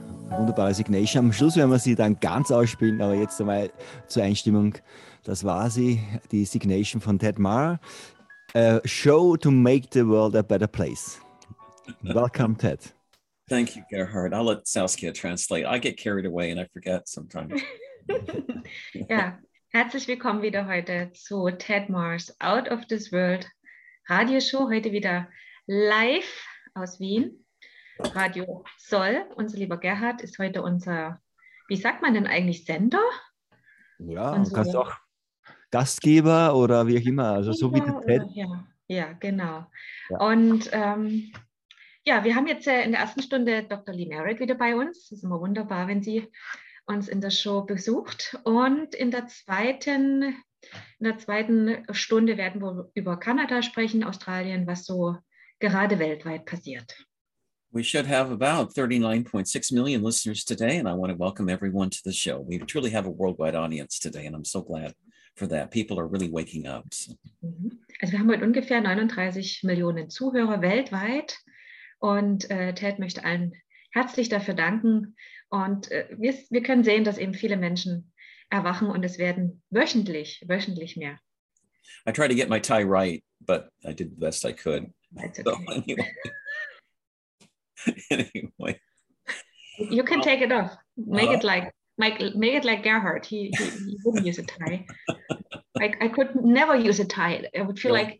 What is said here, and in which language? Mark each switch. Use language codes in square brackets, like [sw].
[de] Wunderbare Signation. Am Schluss werden wir sie dann ganz ausspielen, aber jetzt einmal zur Einstimmung. Das war sie, die Signation von Ted Mahr. [en] A show to make the world a better place. Welcome, Ted. Thank you, Gerhard. I'll let Saskia translate. I get carried away and I forget sometimes. [de] Ja, herzlich willkommen wieder heute zu Ted Mahrs Out of this World Radio Show. Heute wieder live aus Wien. Radio Sol, unser lieber Gerhard, ist heute unser, wie sagt man denn eigentlich, Sender? Ja, du kannst auch Gastgeber oder wie auch immer, also so wie der Ted. Ja, genau. Ja. Und wir haben jetzt in der ersten Stunde Dr. Lee Merritt wieder bei uns. Es ist immer wunderbar, wenn sie uns in der Show besucht. Und in der zweiten Stunde werden wir über Kanada sprechen, Australien, was so gerade weltweit passiert. [en] We should have about 39.6 million listeners today, and I want to welcome everyone to the show. We truly have a worldwide audience today, and I'm so glad for that. People are really waking up. [de] Also wir haben heute ungefähr 39 Millionen Zuhörer weltweit, und Ted möchte allen herzlich dafür danken. Und wir können sehen, dass eben viele Menschen erwachen, und es werden wöchentlich mehr. [en] I tried to get my tie right, but I did the best I could. Anyway. You can take it off. Make it like Gerhard. He wouldn't use a tie. Like, I could never use a tie. I would feel